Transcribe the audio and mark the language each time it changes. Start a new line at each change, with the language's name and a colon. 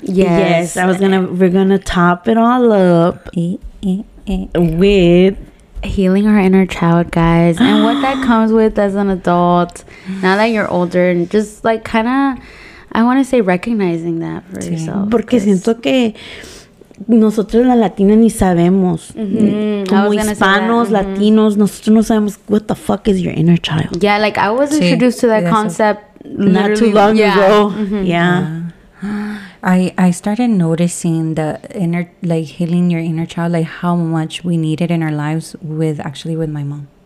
English: Yes. We're going to top it all up with healing our inner child, guys. And what that comes with as an adult, now that you're older, and just, like, kind of, I want to say recognizing that for yourself.
Spanish: Porque siento que nosotros las latinas ni sabemos. Mm-hmm. Como hispanos, latinos, nosotros no sabemos
English: what the fuck is your inner child. Yeah, like I was introduced to that concept not too long ago. Mm-hmm. Yeah. I started noticing the inner, like healing your inner child, like how much we need it in our lives with my mom.